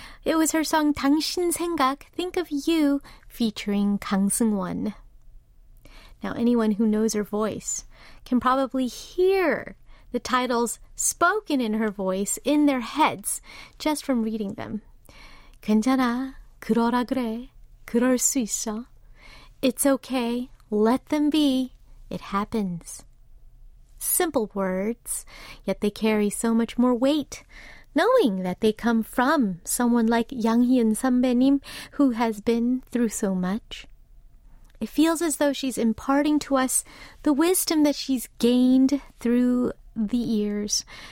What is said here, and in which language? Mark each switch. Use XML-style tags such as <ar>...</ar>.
<en>It was her song 당신 생각, Think of You, featuring 강승원. Now, anyone who knows her voice can probably hear the titles spoken in her voice in their heads just from reading them.</en> <ko>괜찮아, 그러라 그래, 그럴 수 있어.</ko> <en>It's okay, let them be, it happens. Simple words, yet they carry so much more weight, knowing that they come from someone like Yang Hyun 선배님, who has been through so much. It feels as though she's imparting to us the wisdom that she's gained through the years.</en>